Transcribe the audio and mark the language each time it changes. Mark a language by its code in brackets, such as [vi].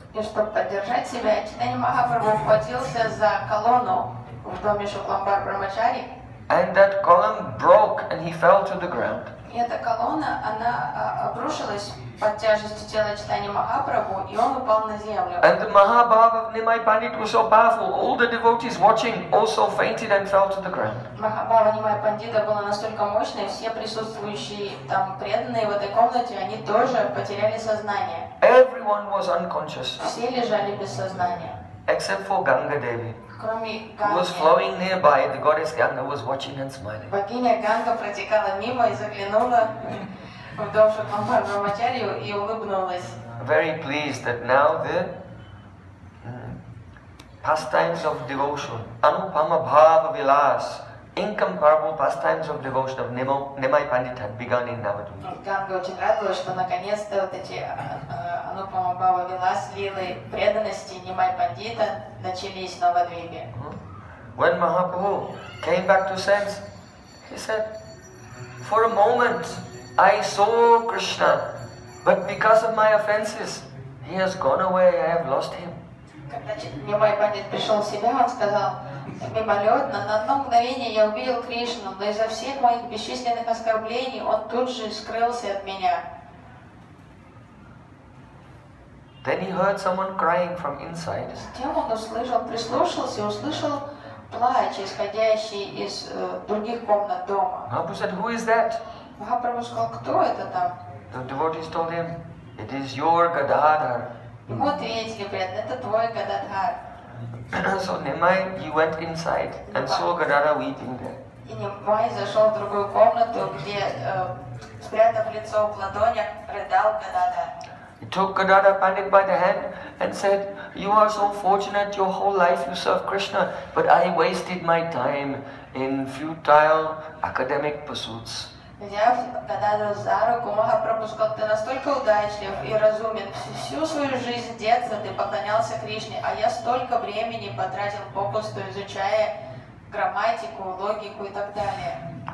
[ru] И чтобы поддержать себя, Читани Махапрабху ухватился за колонну в доме Шукламба Брахмачари. [en] And that column broke and he fell to the ground. [ru] И эта колонна, она обрушилась под тяжестью тела Читани Махапрабху, и он упал на землю. [en] And the Mahabhava of Nimai Pandit was so powerful, all the devotees watching also fainted and fell to the ground. [ru] Махабхава Нимай Пандита была настолько мощной, все присутствующие там преданные в этой комнате, они тоже потеряли сознание. [en] Everyone was unconscious. [ru] Все лежали без сознания. [en] Except for Ganga Devi. [ru] Кроме Ганги. [en] Who was flowing nearby, the goddess Ganga was watching and smiling. [ru] Богиня Ганга протекала мимо и заглянула в дом Шукламбар Брахмачари и улыбнулась. [en] Very pleased that now the pastimes of devotion, Anupama Bhava Vilas, incomparable pastimes of devotion of Nimai Pandit had begun in Navadvipa. [ru] Ганга очень радовалась, что наконец-то вот эти Anupama Bhava Vilas, лилы преданности Нимай Пандита начались в Навадвипе. [en] When Mahaprabhu came back to sense, he said, for a moment, I saw Krishna, but because of my offenses, he has gone away, I have lost him. [ru] Когда не мой бандит пришел в себя, он сказал, мимолетно, на одно мгновение я увидел Кришну, но из-за всех моих бесчисленных оскорблений он тут же скрылся от меня. [en] Then he heard someone crying from inside. [ru] Затем он услышал, прислушался, услышал плач, исходящий из других комнат дома. [en] Mahaprabhu said, who is that? [ru] Mahaprabhu сказал, кто это там? [en] The devotees told him, it is your Gadadhar. [ru] Ему ответили, преданные, это твой Гададхар. [en] So Nimai, he went inside and saw Gadadhar weeping there. [ru] И Nimai зашел в другую комнату, где, спрятав лицо в ладонях, рыдал Гададхар. [en] He took Gadadhar Pandit by the hand and said, you are so fortunate, your whole life you serve Krishna, but I wasted my time in futile academic pursuits. [ru] Взяв Гададхара за руку, Махапрабху сказал, ты настолько удачлив и разумен, всю свою жизнь детства ты поклонялся Кришне, а я столько времени потратил попусту, изучая грамматику, логику и так далее.